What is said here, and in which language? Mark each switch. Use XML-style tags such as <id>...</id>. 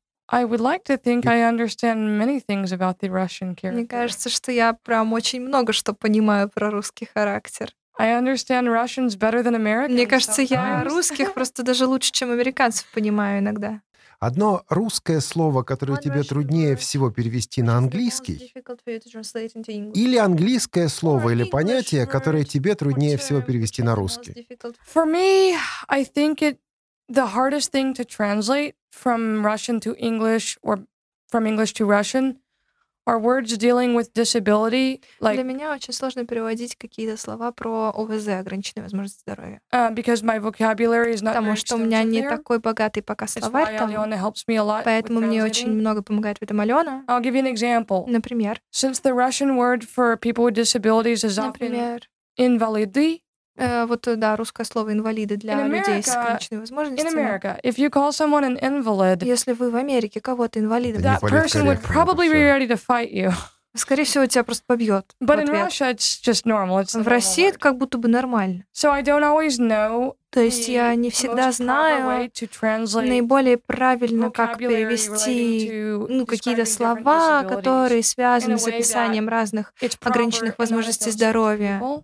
<en>I would like to think I understand many things about the Russian character.</en> <ru>Мне кажется, что я прям очень много что понимаю про русский характер.</ru> <en>I understand Russians better than Americans.</en> <ru>Мне кажется, я русских просто даже лучше, чем американцев понимаю иногда. Одно русское слово, которое тебе труднее всего перевести на английский, или английское слово или понятие, которое тебе труднее всего перевести на русский.</ru> <en>For me, I think it the hardest thing to translate from Russian to English or from English to Russian are words dealing with disability. Like,</en> <ru>для меня очень сложно переводить какие-то слова про ОВЗ, ограниченные возможности здоря.</ru> <en>Because my vocabulary is not</en> <ru>потому что у меня не такой богатый пока словарь там, поэтому мне очень много помогает в этом Алена.</ru> <en>I'll give you an example.</en> <ru>Например.</ru> <en>Since the Russian word for people with disabilities is</en> <ru>например,</ru> <en>often invalidy,</en> <ru>вот, да, русское слово «инвалиды» для</ru> <en>America,</en> <ru>людей с ограниченными возможностями.</ru> <en>America, if you call someone an invalid,</en> <ru>если вы в Америке кого-то инвалидом,</ru> <en>that person would probably be ready to fight you.</en> <ru>Скорее всего, тебя просто побьет.</ru> <en>But in Russia, it's just normal. It's</en> <ru>в России это как будто бы нормально.</ru> <en>So I don't always know</en> <ru>то есть я не всегда знаю наиболее правильно, как перевести ну, какие-то слова, которые связаны с описанием разных ограниченных возможностей здоровья.</ru>